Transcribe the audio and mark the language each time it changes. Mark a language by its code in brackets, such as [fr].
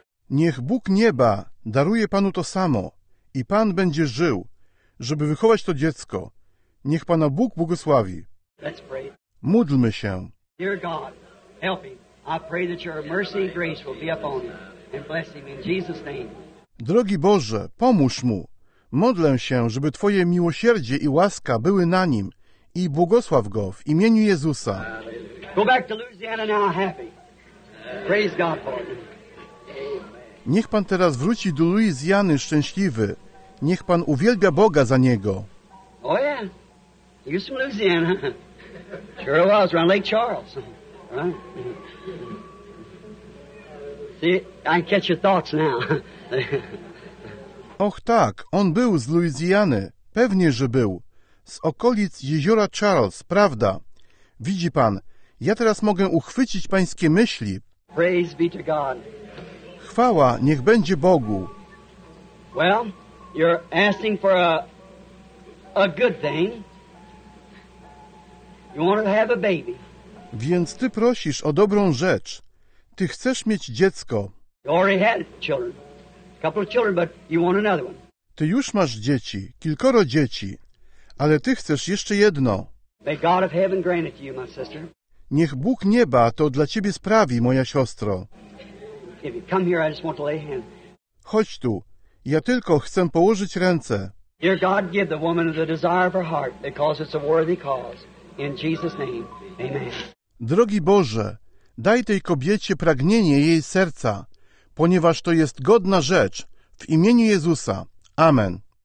[pl] Niech Bóg nieba daruje panu to samo i pan będzie żył, żeby wychować to dziecko. Niech pana Bóg błogosławi. [en] Let's pray. [pl] Módlmy się. [en] Dear God, help me. I pray that your mercy and grace will be upon him and bless him in Jesus' name. [pl] Drogi Boże, pomóż mu. Modlę się, żeby Twoje miłosierdzie i łaska były na nim i błogosław go w imieniu Jezusa. [en] Go back to Louisiana now happy. Praise God for you. [pl] Niech pan teraz wróci do Luizjany szczęśliwy. Niech pan uwielbia Boga za niego. [en] Oh yeah, you're from Louisiana. Sure was around Lake Charles. Right? See, I catch your thoughts now. [pl] Och tak, on był z Luizjany. Pewnie, że był. Z okolic jeziora Charles, prawda? Widzi pan, ja teraz mogę uchwycić pańskie myśli. [en] Praise be to God. [pl] Chwała niech będzie Bogu. [en] Well, you're asking for a good thing. You want to have a baby. [pl] Więc ty prosisz o dobrą rzecz. Ty chcesz mieć dziecko. [en] You already had children. Couple of children, but you want another one. [pl] Ty już masz dzieci, kilkoro dzieci, ale ty chcesz jeszcze jedno. [en] May God of heaven grant it to you, my sister. [pl] Niech Bóg nieba to dla ciebie sprawi, moja siostro. [en] If you come here, I just want to lay hands. [pl] Chodź tu. Ja tylko chcę położyć ręce. [en] Dear God, give the woman the desire of her heart, because it's a worthy cause. In Jesus' name, amen. [pl] Drogi Boże, daj tej kobiecie pragnienie jej serca, ponieważ to jest godna rzecz. W imieniu Jezusa. Amen.